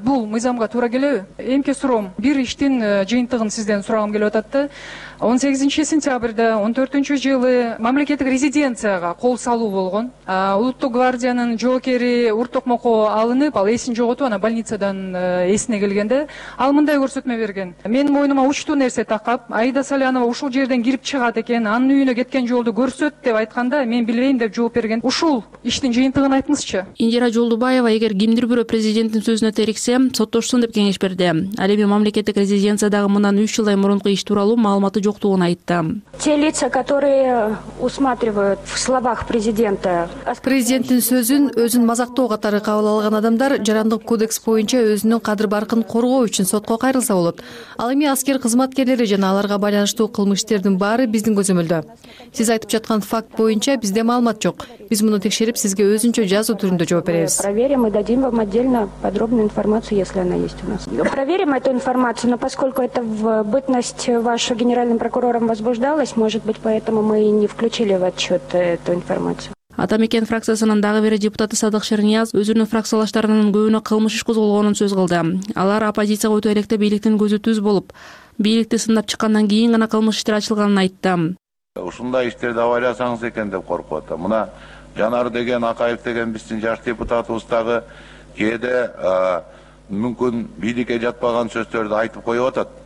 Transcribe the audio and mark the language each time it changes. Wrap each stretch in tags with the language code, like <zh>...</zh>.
<ky>Бул мыйзамга туура келеби? Эмки суроом, бир иштин жыйынтыгын сизден сурагым келип атат да 18 сентябрда 2014-жылы мамлекеттик резиденцияга кол салуу болгон, улуттук гвардиянын жоокери Урток Моко алынып, ал эсин жоготуп анан больницадан эсине келгенде ал мындай көрсөтмө берген: менин мойнума учтуу нерсе такап, Аида Салянова ушул жерден кирип чыгат экен, анын үйүнө кеткен жолду көрсөт деп айтканда мен билбейм деп жооп берген. Ушул иштин жыйынтыгын айтыңызчы. Индира Жолдубаева эгер кимдир бирөө президенттин сөзүнө терексе соттошсун деп кеңеш берди. Ал эми мамлекеттик резиденциядагы мындан 3 жылдай мурунку иш тууралуу маалымат жоктугун айтты.</ky> <ru>Те лица, которые усматривают в словах президента.</ru> <ky>Президенттин сөзүн өзүн мазактоо катары кабыл алган адамдар жарандык кодекс боюнча өзүнүн кадыр баркын коргоо үчүн сотко кайрылса болот. Ал эми аскер кызматкерлери жана аларга байланыштуу кылмыштардын баары биздин көзөмөлдө. Сиз айтып жаткан факт боюнча бизде маалымат жок. Биз муну текшерип сизге өзүнчө жазуу түрүндө жооп беребиз.</ky> <ru>Проверим и дадим вам отдельно подробную информацию, если она есть у нас. Проверим эту информацию, но поскольку это в бытность вашу генеральным прокурором возбуждалось, может быть, поэтому мы и не включили в отчет эту информацию.</ru> <ky>Атамекен фракциясынын дагы бир депутаты Садык Шерниязов өзүнүн фракциялаштарынын көбүнө кылмыш иш козголгонун сөз кылды. Алар оппозицияга өтө электе бийликтин көзү түз болуп, бийликти сындап чыккандан кийин гана кылмыш иштер ачылганын айтты. Ушундай иштерди аваалясаңыз экен деп коркуп атам. Мына Жанар деген, Акаев деген биздин жаш депутатыбыз дагы кээде мүмкүн бийликке жатпаган сөздөрдү айтып коюп атат.</ky>